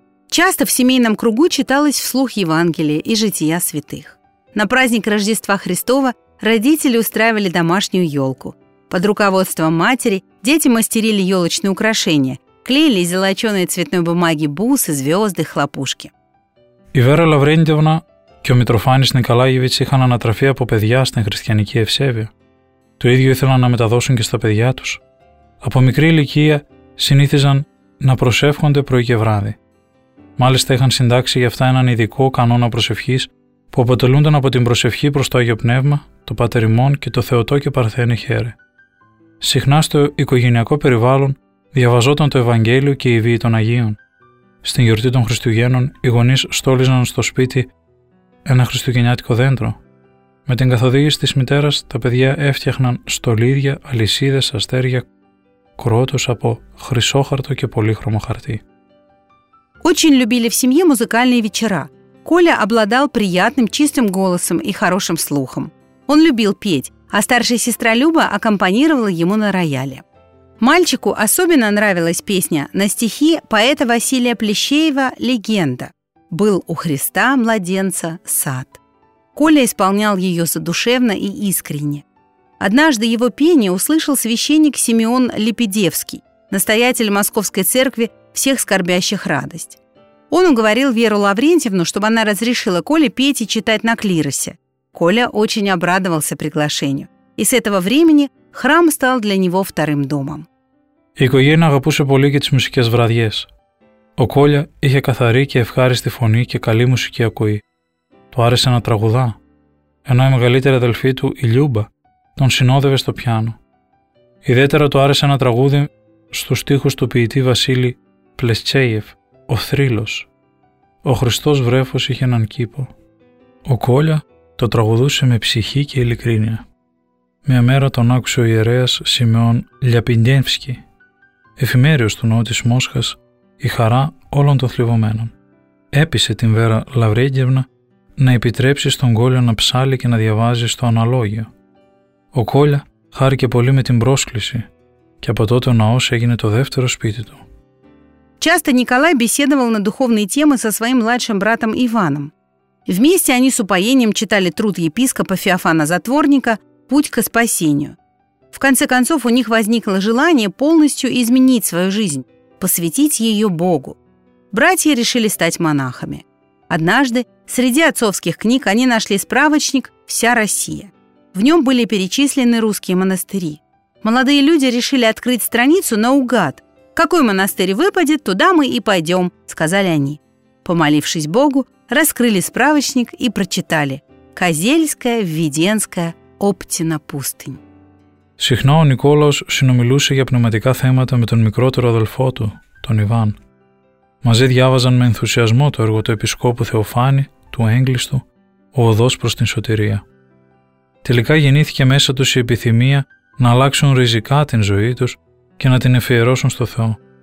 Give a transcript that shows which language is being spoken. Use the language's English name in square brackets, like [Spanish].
[Russian] Часто в семейном кругу читалось вслух Евангелие и жития святых. На праздник Рождества Христова родители устраивали домашнюю елку. Под руководством матери дети мастерили елочные украшения, клеили из золоченой цветной бумаги бусы, звезды, хлопушки. [Greek] Η Βέρα Λαβρέντιεβνα και ο Μητροφάνης Νικολάγεβιτς είχαν ανατραφεί από παιδιά στην χριστιανική ευσέβεια. Το ίδιο ήθελαν να μεταδώσουν και στα παιδιά τους. Από μικρή ηλικία συνήθιζαν να προσεύχονται πρωί και βράδυ. Μάλιστα είχαν συντάξει για αυτά έναν ειδικό κανόνα προσευχής που αποτελούνταν από την προσευχή προς το Άγιο Πνεύμα, το Πάτερ ημών και το Θεωτό και Παρθένη Χαίρε. Συχνά στο οικογενειακό περιβάλλον διαβαζόταν το Ευαγγέλιο και η Βίη των Αγίων. Στην γιορτή των Χριστουγέννων οι γονείς στόλιζαν στο σπίτι ένα χριστουγεννιάτικο δέντρο. Με την καθοδήγηση της μητέρας τα παιδιά έφτιαχναν στολίδια, αλυσίδες, αστέρια, κρότος από χρυσόχαρτο και πολύχρωμο χαρτί. [Russian] Очень любили в семье музыкальные вечера. Коля обладал приятным чистым голосом и хорошим слухом. Он любил петь, а старшая сестра Люба аккомпанировала ему на рояле. Мальчику особенно нравилась песня на стихи поэта Василия Плещеева «Легенда». «Был у Христа младенца сад». Коля исполнял ее задушевно и искренне. Однажды его пение услышал священник Симеон Лепидевский, настоятель Московской церкви «Всех скорбящих радость». Он уговорил Веру Лаврентьевну, чтобы она разрешила Коле петь и читать на клиросе. Коля очень обрадовался приглашению. И с этого времени храм стал для него вторым домом. [Greek] Η οικογένεια αγαπούσε πολύ και τις μουσικές βραδιές. Ο Κόλια είχε καθαρή και ευχάριστη φωνή και καλή μουσική ακοή. Του άρεσε να τραγουδά, ενώ η μεγαλύτερη αδελφή του, η Λιούμπα, τον συνόδευε στο πιάνο. Ιδιαίτερα του άρεσε ένα τραγούδι στους στίχους του ποιητή Βασίλη Πλεσχέιεφ, «Ο Θρύλος». «Ο Χριστός Βρέφος είχε έναν κήπο». Ο Κόλια το τραγουδούσε με ψυχή και ειλικρίνεια. Μια μέρα τον άκουσε ο ιερέας Σιμεών Λιαπιντιένφσκι, εφημέριος του Νότης Μόσχας, η χαρά όλων των θλιβωμένων. Έπεισε την Βέρα Λαυρέγγευνα να επιτρέψει στον Κόλια να ψάλει και να διαβάζει στο αναλόγιο. Ο Κόλια χάρηκε πολύ με την πρόσκληση και από τότε ο ναός έγινε το δεύτερο σπίτι του. [Russian] Часто Николай беседовал на духовные темы со своим младшим братом Иваном. Вместе они с упоением читали труд епископа Феофана Затворника «Путь ко спасению». В конце концов, у них возникло желание полностью изменить свою жизнь, посвятить ее Богу. Братья решили стать монахами. Однажды среди отцовских книг они нашли справочник «Вся Россия». В нем были перечислены русские монастыри. Молодые люди решили открыть страницу наугад. «Какой монастырь выпадет, туда мы и пойдем», — сказали они. Помолившись Богу, раскрыли справочник и прочитали «Козельская, Введенская, Оптина пустынь». [Greek] Συχνά ο Νικόλαος συνομιλούσε για πνευματικά θέματα με τον μικρότερο αδελφό του, τον Ιβάν. Μαζί διάβαζαν με ενθουσιασμό το έργο του επισκόπου Θεοφάνη, του Έγκλειστου, «Ο οδός προς την σωτηρία». Τελικά γεννήθηκε μέσα τους η επιθυμία να αλλάξουν ριζικά την ζωή τους και να την αφιερώσουν στο Θεό.